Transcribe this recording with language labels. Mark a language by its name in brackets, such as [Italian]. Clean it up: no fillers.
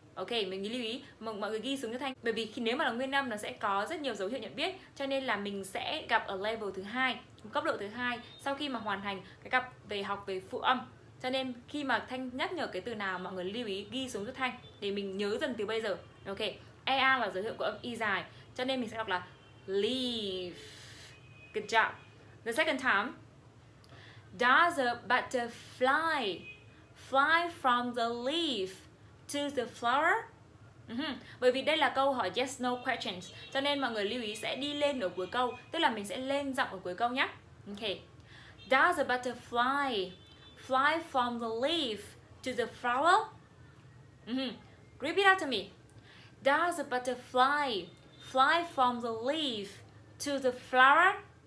[Vietnamese] Ok, mình lưu ý mọi người ghi xuống cho Thanh. Bởi vì khi nếu mà là nguyên âm nó sẽ có rất nhiều dấu hiệu nhận biết, cho nên là mình sẽ gặp ở level thứ hai, cấp độ thứ hai sau khi mà hoàn thành cái cặp về học về phụ âm. Cho nên khi mà Thanh nhắc nhở cái từ nào mọi người lưu ý ghi xuống cho Thanh để mình nhớ dần từ bây giờ. Ok, ea là dấu hiệu của âm y dài, cho nên mình sẽ đọc là leave. [English] Good job. The second time, does a butterfly fly from the leaf to the flower? [Vietnamese] Bởi vì đây là câu hỏi [English] yes no questions, [Vietnamese] cho nên mọi người lưu ý sẽ đi lên ở cuối câu, tức là mình sẽ lên giọng ở cuối câu nhé. [English] Okay. Does a butterfly fly from the leaf to the flower? Repeat after me. Does a butterfly fly from the leaf to the flower?